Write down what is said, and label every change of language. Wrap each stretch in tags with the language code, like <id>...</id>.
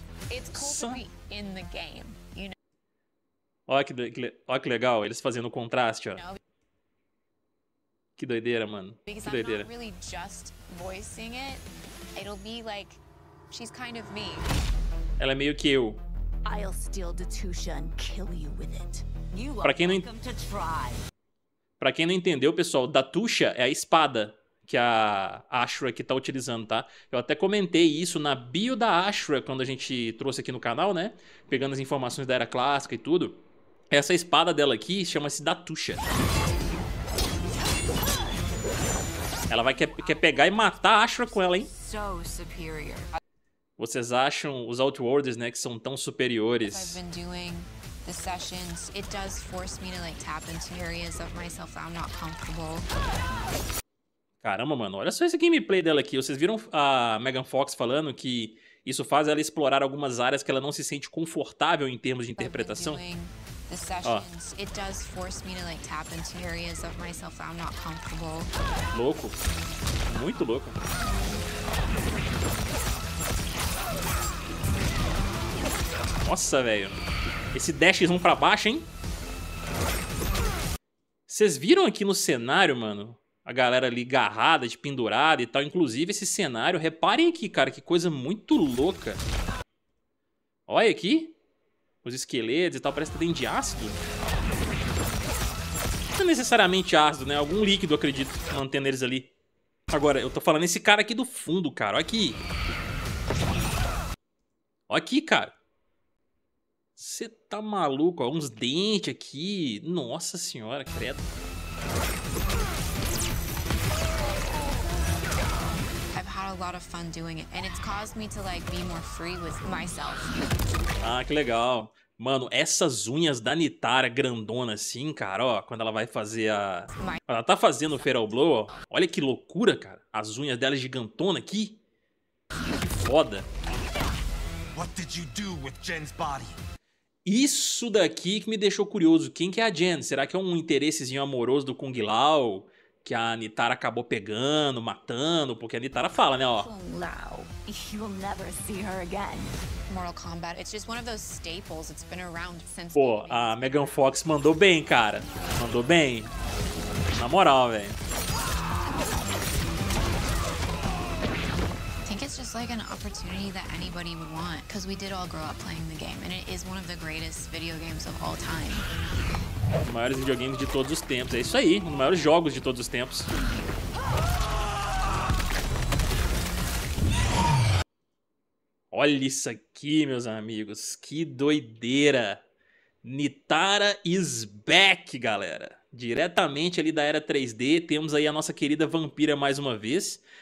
<en>It's cool to be in the game, you know?</en> <pt>Olha que legal, eles fazendo o contraste, ó. Que doideira, mano. Que doideira.</pt> <en>Not really just voicing it. It'll be like she's kind of me.</en> <pt>Ela é meio que eu.</pt> <en>I'll steal Detusha and kill you with it. You are welcome to try.</en> <pt>Pra quem não entendeu, pessoal, Detusha é a espada que a Ashura aqui tá utilizando, tá? Eu até comentei isso na bio da Ashura quando a gente trouxe aqui no canal, né? Pegando as informações da Era Clássica e tudo. Essa espada dela aqui chama-se Datusha. Ela vai quer pegar e matar a Ashura com ela, hein?</pt> <en>So superior.</en> <pt>Vocês acham os Outworlders, né, que são tão superiores?</pt> <en>The sessions, it does force me to like tap into areas of myself that I'm not comfortable.</en> <pt>Caramba, mano, olha só esse gameplay dela aqui. Vocês viram a Megan Fox falando que isso faz ela explorar algumas áreas que ela não se sente confortável em termos de interpretação?</pt> <en>The sessions, it does force me to like tap into areas of myself that I'm not comfortable.</en> <pt>Louco. Muito louco. Nossa, velho. Esse dash 1 pra baixo, hein? Vocês viram aqui no cenário, mano? A galera ali garrada, de pendurada e tal. Inclusive, esse cenário. Reparem aqui, cara. Que coisa muito louca. Olha aqui. Os esqueletos e tal. Parece que tá dentro de ácido. Não é necessariamente ácido, né? Algum líquido, acredito, mantendo eles ali. Agora, eu tô falando esse cara aqui do fundo, cara. Olha aqui. Olha aqui, cara. Você tá maluco, ó. Uns dentes aqui. Nossa senhora, credo.</pt> <en>I've had a lot of fun doing it, and it's caused me to like be more free with myself.</en> <pt>Ah, que legal. Mano, essas unhas da Nitara grandona assim, cara, ó, quando ela vai fazer a... Ela tá fazendo o Feral Blow, ó. Olha que loucura, cara. As unhas dela gigantona aqui. Que foda.</pt> <en>What did you do with Jen's body?</en> <pt>Isso daqui que me deixou curioso. Quem que é a Jen? Será que é um interessezinho amoroso do Kung Lao? Que a Nitara acabou pegando, matando? Porque a Nitara fala, né, ó.</pt> <en>Kung Lao, you will never see her again. Mortal Kombat, it's just one of those staples. It's been around since...</en> <pt>Pô, a Megan Fox mandou bem, cara. Mandou bem. Na moral, velho.</pt> <en>Think it's just like an opportunity that anybody would want, because we did all grow up playing the game, and it is one of the greatest video games of all time.</en> <pt>Os maiores videogames de todos os tempos. É isso aí, um dos maiores jogos de todos os tempos. Olha isso aqui, meus amigos. Que doideira.</pt> <en>Nitara is back,</en> <pt>galera. Diretamente ali da era 3D, temos aí a nossa querida vampira mais uma vez.</pt>